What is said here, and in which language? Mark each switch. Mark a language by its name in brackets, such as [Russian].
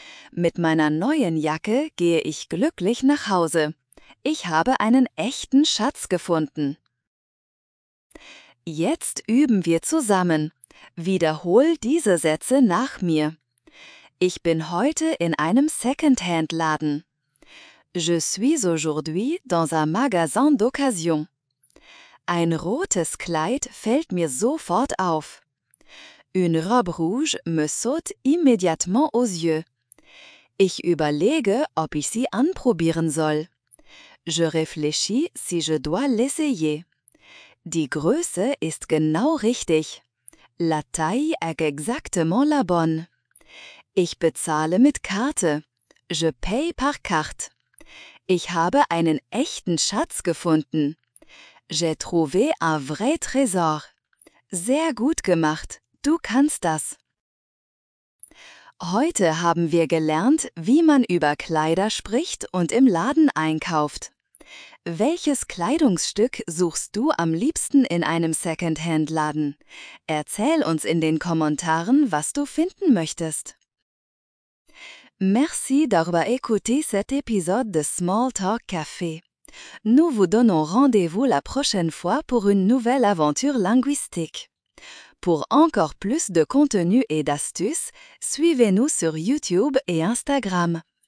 [German] Mit meiner neuen Jacke gehe ich glücklich nach Hause. Ich habe einen echten Schatz gefunden. Jetzt üben wir zusammen. Wiederhol diese Sätze nach mir. Ich bin heute in einem Secondhand-Laden. [French] Je suis aujourd'hui dans un magasin d'occasion. [German] Ein rotes Kleid fällt mir sofort auf. [French] Une robe rouge me saute immédiatement aux yeux. [German] Ich überlege, ob ich sie anprobieren soll. [French] Je réfléchis si je dois l'essayer. [German] Die Größe ist genau richtig. [French] La taille est exactement la bonne. [German] Ich bezahle mit Karte. [French] Je paye par carte. [German] Ich habe einen echten Schatz gefunden. [French] J'ai trouvé un vrai trésor. [German] Sehr gut gemacht. Du kannst das. Heute haben wir gelernt, wie man über Kleider spricht und im Laden einkauft. Welches Kleidungsstück suchst du am liebsten in einem Secondhand-Laden? Erzähl uns in den Kommentaren, was du finden möchtest. [French] Merci d'avoir écouté cet épisode de Small Talk Café. Nous vous donnons rendez-vous la prochaine fois pour une nouvelle aventure linguistique. Pour encore plus de contenu et d'astuces, suivez-nous sur YouTube et Instagram.